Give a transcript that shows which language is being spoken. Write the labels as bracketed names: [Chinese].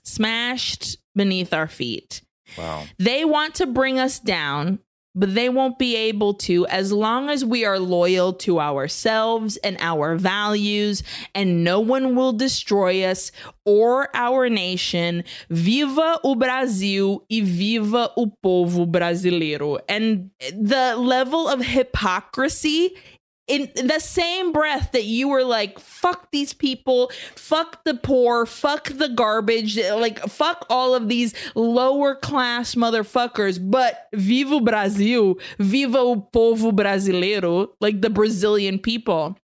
[English] Smashed beneath our feet. Wow. They want to bring us down, but they won't be able to as long as we are loyal to ourselves and our values, and no one will destroy us or our nation. [Portuguese] Viva o Brasil e viva o povo brasileiro. [English] And the level of hypocrisy in the same breath that you were like, fuck these people, fuck the poor, fuck the garbage, like, fuck all of these lower class motherfuckers, but [Portuguese] viva o Brasil, viva o povo brasileiro, [English] like the Brazilian people.